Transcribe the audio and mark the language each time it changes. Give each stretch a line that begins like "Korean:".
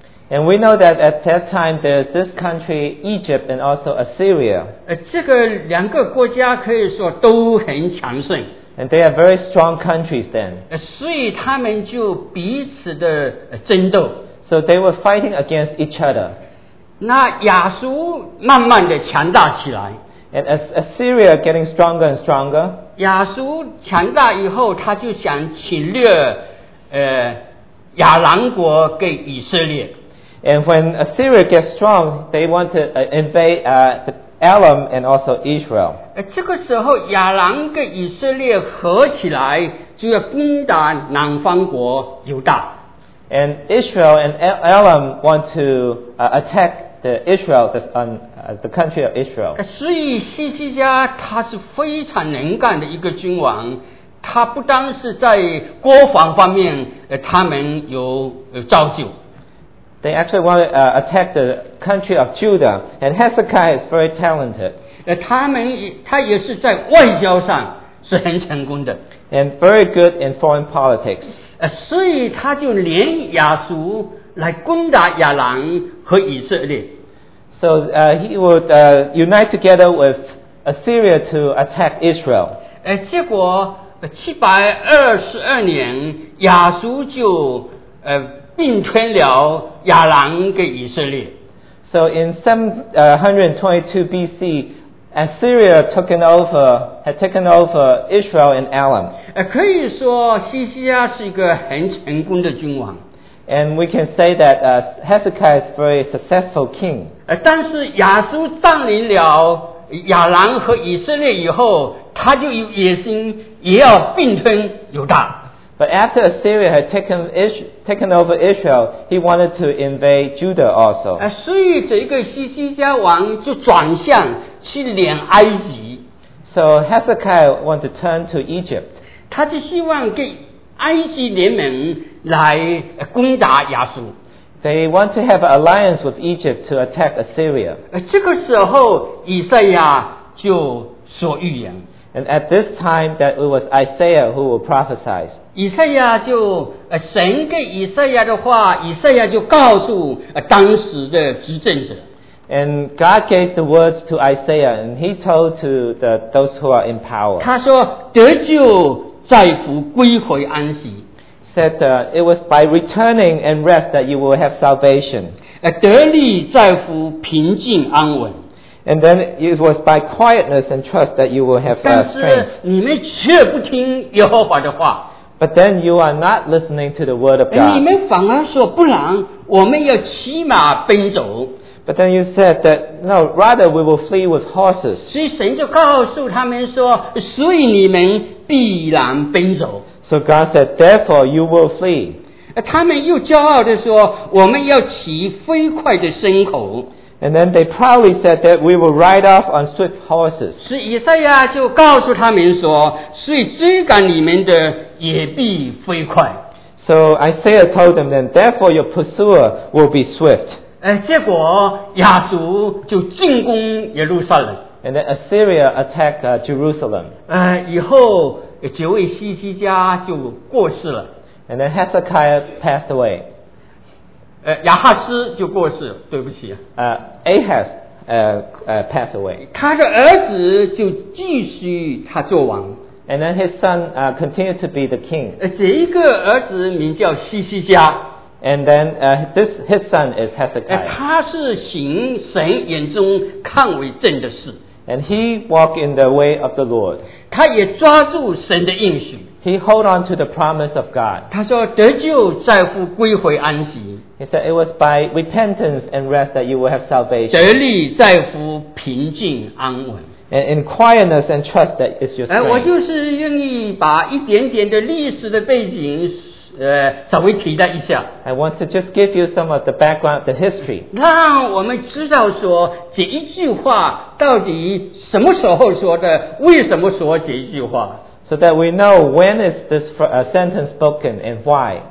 English: And we know that at that time there's this country Egypt and also Assyria.
Chinese: 这个两个国家可以说都很强盛。
English: And they are very strong countries then.
Chinese: 所以他们就彼此的争斗。
English: So they were fighting against each other.
Chinese: 那亚述慢慢的强大起来。
English: And as Assyria getting stronger and stronger.
Chinese: 亚述强大以后，他就想侵略亚兰国给以色列。
English: And when Assyria gets strong, they want to invade the Elam and also Israel.
Chinese: 这个时候亚兰跟以色列合起来，就要攻打南方国犹大。
English: And Israel and Elam want to attack the Israel, the country of Israel.
Chinese: 所以西西家他是非常能干的一个君王，他不单是在国防方面，他们有造就。
English: They actually want to attack the country of Judah, and Hezekiah is very talented.
Chinese: 他也是在外交上是很成功的。
English: And very good in foreign politics.
Chinese: 所以他就连亚述来攻打亚兰和以色列。
English: So he would unite together with Assyria to attack Israel.
Chinese: 结果722年亚述就并吞了亚兰跟以色列。
English: So in 722 BC, Assyria had taken over Israel and Elam.
Chinese: 可以说西西亚是一个很成功的君王。
English: And we can say that Hezekiah is a very successful king.
Chinese: 但是亚述占领了亚兰和以色列以后，他就有野心，也要并吞犹大。
English: But after Assyria had taken over Israel, he wanted to invade Judah also.
Chinese: 所以这个西西家王就转向去连埃及。
English: So Hezekiah wanted to turn to Egypt.
Chinese: 他就希望跟埃及联盟来攻打亚述。
English: They want to have an alliance with Egypt to attack Assyria.
Chinese: 这个时候以赛亚就说预言。
English: And at this time, that it was Isaiah who will prophesy.
Chinese: 以赛亚就神给以赛亚的话，以赛亚就告诉当时的执政者。
English: And God gave the words to Isaiah, and he told to those who are in power.
Chinese: 他说得救在乎归回安息。
English: Said it was by returning and rest that you will have salvation.
Chinese: 得力在乎平静安稳。
English: And then it was by quietness and trust that you will have strength.
Chinese: 但是你们却不听耶和华的话。
English: But then you are not listening to the word of God.
Chinese: 你们反而说不然，我们要骑马奔走。
English: But then you said that, no, rather we will flee with horses.
Chinese: 所以神就告诉他们说，所以你们必然奔走。
English: So God said, therefore you will flee.
Chinese: 他们又骄傲地说，我们要骑飞快的牲口。
English: And then they proudly said that we will ride off on swift horses.
Chinese: 所以以赛亚就告诉他们说，所以追赶你们的也必飞快。
English: So Isaiah told them then, therefore your pursuer will be swift.
Chinese: 结果亚述就进攻耶路撒冷。
English: And then Assyria attacked Jerusalem.
Chinese: 以后这位西西家就过世了。
English: And then Hezekiah passed away.
Chinese: 亚哈斯就过世，对不起。
English: Ahaz passed away.
Chinese: 他的儿子就继续他做王。
English: And then his son continued to be the king.
Chinese: 这一个儿子名叫西西家。
English: And then his son is Hezekiah.
Chinese: 他是行神眼中看为正的事。
English: And he walked in the way of the Lord.
Chinese: 他也抓住神的应许。
English: He hold on to the promise of God.
Chinese: 他说得救在乎归回安息。
English: He said it was by repentance and rest that you will have salvation.
Chinese: 得力在乎平静安稳。
English: And in quietness and trust that is your strength.
Chinese: 我就是愿意把一点点的历史的背景稍微提到一下。
English: I want to just give you some of the background, the history.
Chinese: 让我们知道说这一句话到底什么时候说的，为什么说这一句话。
English: So that we know when is this sentence spoken and why.